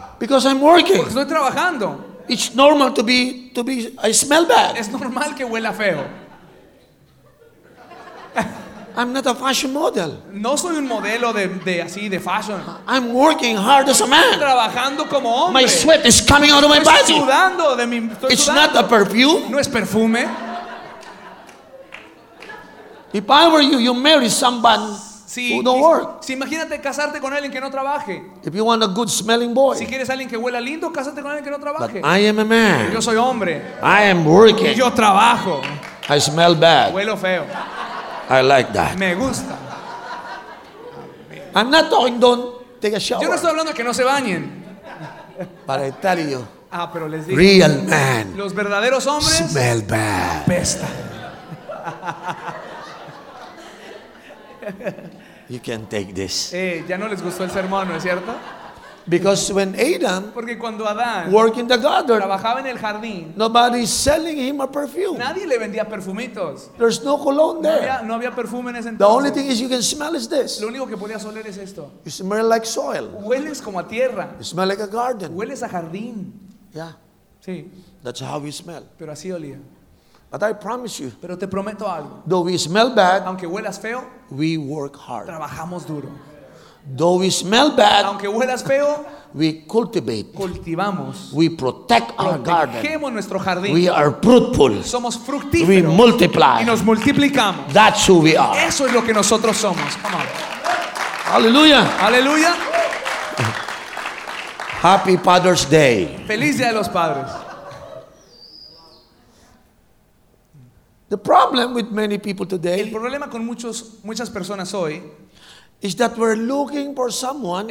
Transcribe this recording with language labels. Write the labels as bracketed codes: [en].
[en] Because I'm working. [es] Porque estoy trabajando. [en] It's normal to be. I smell bad. [es] Es normal que huela feo. [en] I'm not a fashion model. [es] No soy un modelo de así de fashion. [en] I'm working hard as a man. [es] Estoy trabajando como hombre. [en] My sweat is coming out of my body. [es] Estoy sudando de mi. [en] It's not a perfume. [es] No es perfume. [en] If I were you, you marry somebody. [es] Si, [en] who don't work. [es] Si imagínate casarte con alguien que no trabaje. [en] If you want a good smelling boy. [es] Si quieres alguien que huela lindo, casarte con alguien que no trabaje. [en] But I am a man. [es] Yo soy hombre. [en] I am working. [es] Yo trabajo. [en] I smell bad. [es] Huelo feo. [en] I like that. [es] Me gusta. [en] I'm not talking don't take a shower. [es] Yo no estoy hablando que no se bañen. Para estar yo. Ah, pero les digo. [en] Real man. [es] Los verdaderos hombres. [en] Smell bad. [es] Pesta. [en] You can take this. [es] Ya no les gustó el sermón, ¿no es cierto? [en] Because when Adam, [es] porque cuando Adán [en] worked in the garden, [es] trabajaba en el jardín, [en] nobody is selling him a perfume. [es] Nadie le vendía perfumitos. [en] There's no cologne there. [es] No había perfume en ese entonces. [en] The only thing is you can smell is this. [es] Lo único que podías oler es esto. [en] You smell like soil. [es] Hueles como a tierra. [en] You smell like a garden. [es] Hueles a jardín. [en] Yeah. [es] Sí. [en] That's how we smell. [es] Pero así olía. [en] But I promise you, [es] pero te prometo algo, [en] though we smell bad, [es] aunque huelas feo, [en] we work hard. [es] Trabajamos duro. [en] Though we smell bad, [es] aunque huelas feo, [en] we cultivate. [es] Cultivamos. [en] We protect our garden. [es] Protegemos nuestro jardín. [en] We are fruitful. [es] Somos fructíferos. [en] We multiply. [es] Y nos multiplicamos. [en] That's who we are. [es] Eso es lo que nosotros somos. [en] Come on. Hallelujah. [es] Hallelujah. [en] Happy Father's Day. [es] Feliz Día de los Padres. [en] The problem with many people today, [es] el problema con muchas personas hoy, [en] is that we're looking for someone,